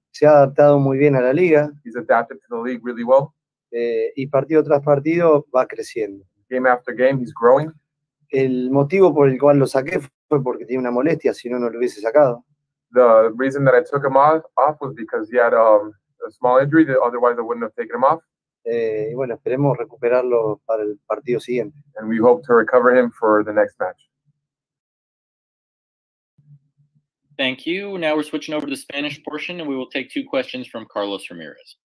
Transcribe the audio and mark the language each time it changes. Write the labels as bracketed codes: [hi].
[es] Se ha adaptado muy bien a la liga. [en] He's adapted to the league really well. [es] Y partido tras partido va creciendo. [en] Game after game, he's growing. [es] El motivo por el cual lo saqué fue porque tiene una molestia, si no, no lo hubiese sacado. [en] The reason that I took him off was because he had a small injury that otherwise I wouldn't have taken him off. [es] Y bueno, esperemos recuperarlo para el partido siguiente. [en] And we hope to recover him for the next match. Thank you. Now we're switching over to the Spanish portion and we will take two questions from Carlos Ramirez.